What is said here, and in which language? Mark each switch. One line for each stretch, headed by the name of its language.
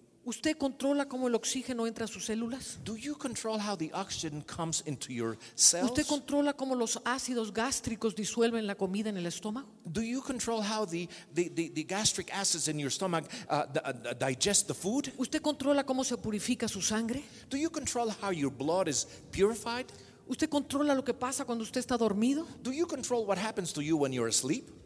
Spanish: ¿Usted controla cómo el oxígeno entra a sus células?
English: Do you control how the oxygen comes into your cells?
Spanish: ¿Usted controla cómo los ácidos gástricos disuelven la comida en el estómago?
English: Do you control how the gastric acids in your stomach digest the food?
Spanish: ¿Usted controla cómo se purifica su sangre?
English: Do you control how your blood is purified?
Spanish: ¿Usted controla lo que pasa cuando usted está dormido?
English: Do you control what happens to you when you're asleep?